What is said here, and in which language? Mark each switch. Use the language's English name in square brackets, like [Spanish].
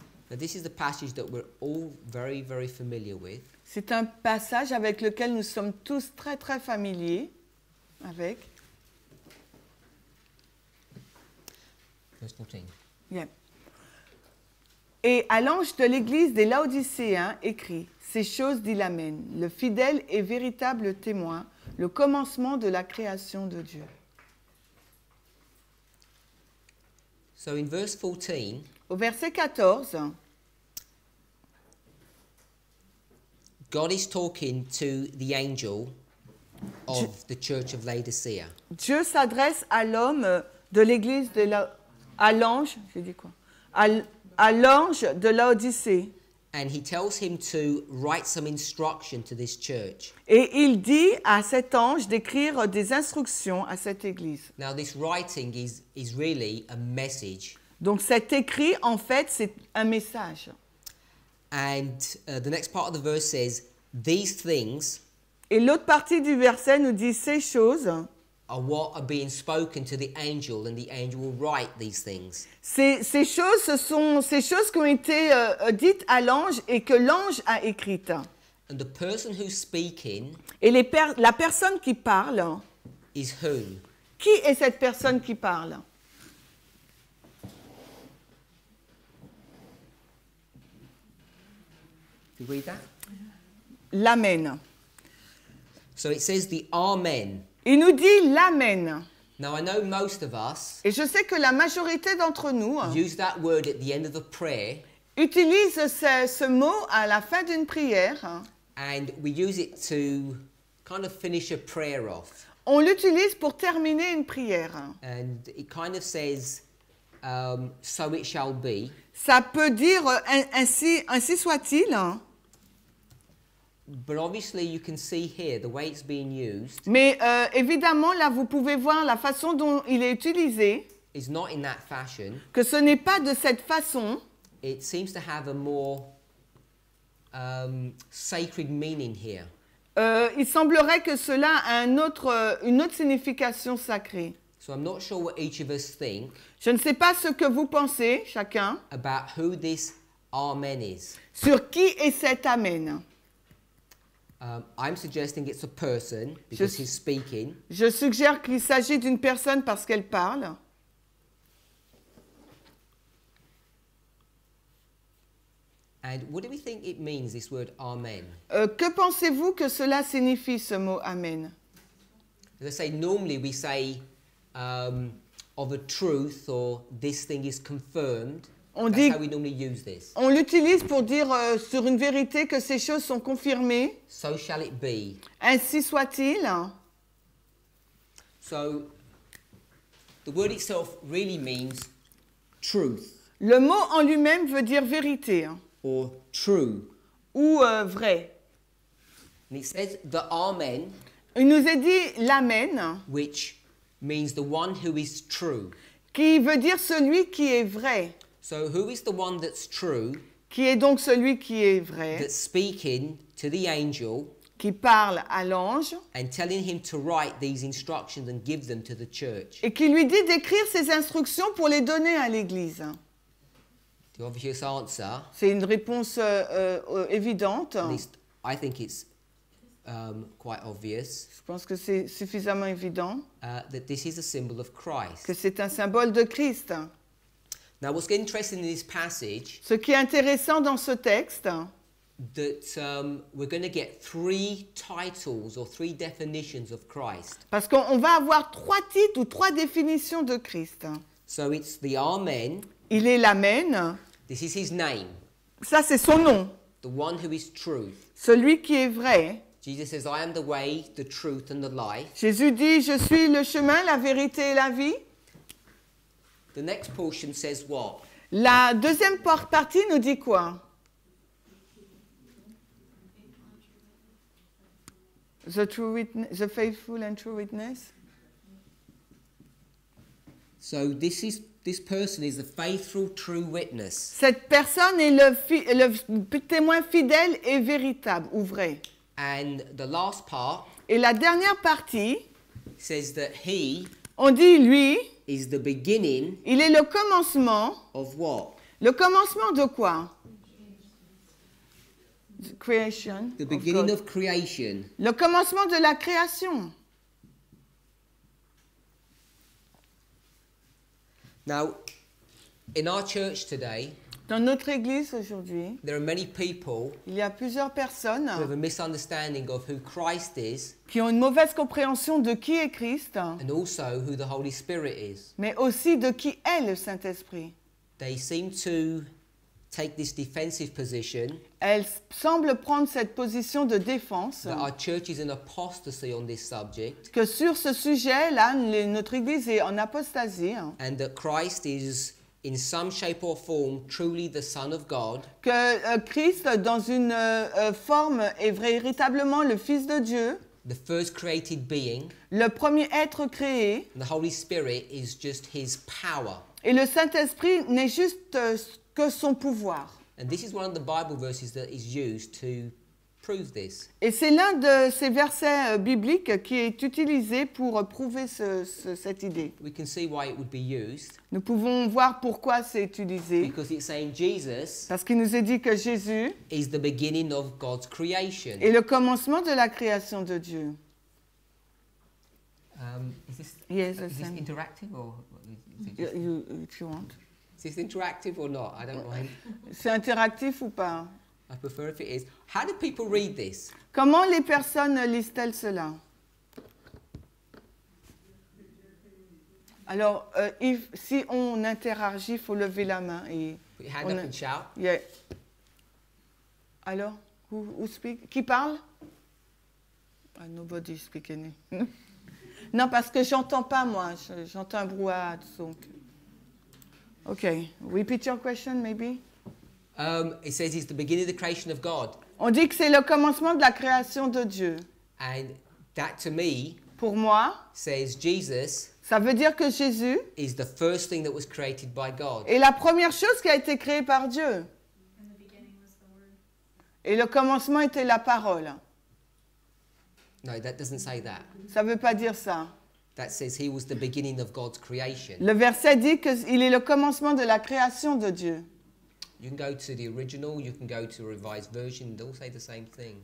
[English] Now this is the passage that we're all very, very familiar with. [French] C'est un passage avec lequel nous sommes tous très, très familiers. Avec. [English] Verse 14. Yep. [French] Et à l'ange de l'église des Laodicéens écrit, ces choses dit l'Amen, le fidèle et véritable témoin, le commencement de la création de Dieu. [English] So in verse 14, [French] au verset 14, [English] God is talking to the angel of the church of Laodicea. [French] Dieu s'adresse à l'homme de l'église de la, à l'ange, j'ai dit quoi? À l'ange de Laodicée. [English] And he tells him to write some instruction to this church. [French] Et il dit à cet ange d'écrire des instructions à cette église. [English] Now this writing is really a message. [French] Donc cet écrit, en fait, c'est un message. [English] And the next part of the verse says, these things. [French] Et l'autre partie du verset nous dit ces choses. [English] Are what are being spoken to the angel, and the angel will write these things. [French] Ces choses, ce sont ces choses qui ont été dites à l'ange et que l'ange a écrites. [English] And the person who's speaking. [French] Et la personne qui parle. [English] Is who? [French] Qui est cette personne qui parle? [English] Read that. [French] L'amen. [English] So it says the amen. [French] Il nous dit l'amen. [English] Now I know most of us. [French] Et je sais que la majorité d'entre nous. [English] Use that word at the end of the prayer. [French] Utilise ce mot à la fin d'une prière. [English] And we use it to kind of finish a prayer off. [French] On l'utilise pour terminer une prière. [English] And it kind of says, so it shall be. [French] Ça peut dire ainsi soit-il. [English] But obviously you can see here the way it's being used. [French] Mais évidemment là vous pouvez voir la façon dont il est utilisé. [English] It's not in that fashion. [French] Que ce n'est pas de cette façon. [English] It seems to have a more sacred meaning here. [French] Il semblerait que cela a une autre signification sacrée. [English] So I'm not sure what each of us think. [French] Je ne sais pas ce que vous pensez chacun. [English] About who this amen is. [French] Sur qui est cet amen? [English] I'm suggesting it's a person because he's speaking. [French] Je suggère qu'il s'agit d'une personne parce qu'elle parle. [English] And what do we think it means, this word amen? [French] Que pensez-vous que cela signifie ce mot amen? [English] As I say, normally we say of a truth or this thing is confirmed. That's how we normally use this. [French] On l'utilise pour dire sur une vérité que ces choses sont confirmées. [English] So shall it be. [French] Ainsi soit-il. [English] So, the word itself really means truth. [French] Le mot en lui-même veut dire vérité. [English] Or true. [French] Ou vrai. [English] And it says the amen. [French] Il nous est dit l'amen. [English] Which means the one who is true. [French] Qui veut dire celui qui est vrai. [English] So who is the one that's true? [French] Qui est donc celui qui est vrai? [English] That's speaking to the angel. [French] Qui parle à l'ange. [English] And telling him to write these instructions and give them to the church. [French] Et qui lui dit d'écrire ces instructions pour les donner à l'église. [English] The obvious answer. [French] C'est une réponse évidente. [English] At least I think it's quite obvious. [French] Je pense que c'est suffisamment évident. [English] That this is a symbol of Christ. [French] Que c'est un symbole de Christ. [English] Now, what's interesting in this passage? [French] Ce qui est intéressant dans ce texte, [English] that we're going to get three titles or three definitions of Christ. [French] Parce qu'on va avoir trois titres ou trois définitions de Christ. [English] So it's the Amen. [French] Il est l'Amen. [English] This is his name. [French] Ça c'est son nom. [English] The one who is truth. [French] Celui qui est vrai. [English] Jesus says, "I am the way, the truth, and the life." [French] Jésus dit, "Je suis le chemin, la vérité et la vie." [English] The next portion says what? [French] La deuxième partie nous dit quoi? [English] The true witness, the faithful and true witness. So this person is the faithful true witness. [French] Cette personne est le témoin fidèle et véritable ou vrai. [English] And the last part. [French] Et la dernière partie. [English] Says that he. [French] On dit lui. [English] Is the beginning. [French] Il est le commencement. [English] Of what? [French] Le commencement de quoi? [English] The creation. The beginning of creation. [French] Le commencement de la création. [English] Now, in our church today, [French] dans notre église aujourd'hui, [English] there are many people, [French] il y a plusieurs personnes, [English] who have a misunderstanding of who Christ is, [French] qui ont une mauvaise compréhension de qui est Christ, [English] and also who the Holy Spirit is, [French] mais aussi de qui est le Saint-Esprit. [English] They seem to take this defensive position. [French] Elles semblent prendre cette position de défense. [English] That our church is in apostasy on this subject. [French] Que sur ce sujet là, notre église est en apostasie. [English] And that Christ is in some shape or form truly the Son of God. [French] Que Christ dans une forme est véritablement le Fils de Dieu. [English] The first created being. [French] Le premier être créé. [English] The Holy Spirit is just His power. [French] Et le Saint-Esprit n'est juste que son pouvoir. [English] And this is one of the Bible verses that is used to prove this. [French] Et c'est l'un de ces versets bibliques qui est utilisé pour prouver cette idée. [English] We can see why it would be used. [French] Nous pouvons voir pourquoi c'est utilisé. [English] Because it's saying Jesus. [French] Parce qu'il nous est dit que Jésus [English] is the beginning of God's creation. [French] Est le commencement de la création de Dieu. [English] Is this interactive or? If you want. Is this interactive or not? I don't mind. [French] C'est interactif ou pas? [English] I prefer if it is. How do people read this? [French] Comment les personnes lisent-elles cela? Alors, si on interagit, il faut lever la main. Et [English] put your hand up and shout. Yeah. Alors, who speak? [French] Qui parle? [English] Nobody speak any. [French] Non, parce que j'entends pas, moi. J'entends un brouhaha, donc. OK. [English] Repeat your question, maybe. It says it's the beginning of the creation of God. [French] On dit que c'est le commencement de la création de Dieu. [English] And that, to me, [French] pour moi, [English] says Jesus, [French] ça veut dire que Jésus [English] is the first thing that was created by God. [French] Est la première chose qui a été créée par Dieu. [English] And the beginning was the word. [French] Et le commencement était la parole. [English] No, that doesn't say that. [French] Ça veut pas dire ça. [English] That says he was the beginning of God's creation. [French] Le verset dit qu'il est le commencement de la création de Dieu. [English] You can go to the original, you can go to a revised version, they all say the same thing.